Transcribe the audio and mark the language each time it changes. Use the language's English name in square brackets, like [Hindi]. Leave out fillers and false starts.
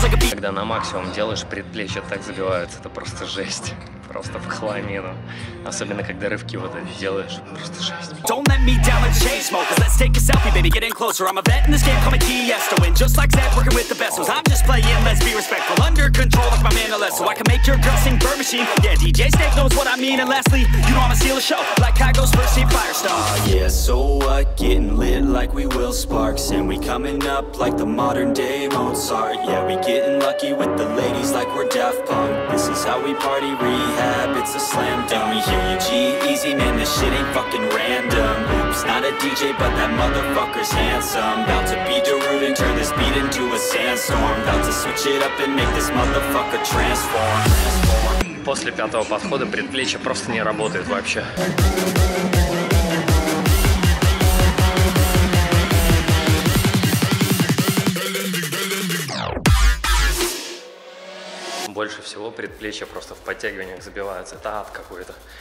[Russian] Когда на максимум делаешь, предплечья так забиваются, это просто жесть. Просто в хламину. Особенно, когда рывки вот эти делаешь, просто жесть. [English] Don't let me down like the chain smoke, cause let's take a selfie, baby, get in closer. I'm a vet in this game, call me Tiesto. And just like Zach, working with the best ones, I'm just playing, let's be respectful. Under control, like my man Alesso. I can make your girl sing Bird Machine. Yeah, DJ Snake knows what I mean. And lastly, you know I'ma steal a show, like Kygo's first team Firestone. Yeah, so what, getting lit like we Will Sparks. And we coming up like the modern day Mozart. Yeah, we getting lucky with the ladies like we're Daft Punk. This is how we party rehab, it's a slam dunk. We hear you, G-Eazy, man, this shit ain't fucking random. Oops, not a DJ, but that motherfucker's handsome. About to be Derude and turn this beat into a sandstorm. About to switch it up and make this motherfucker transform. [Russian] После пятого подхода предплечье просто не работает вообще. Больше всего предплечья просто в подтягиваниях забиваются. Это ад какой-то.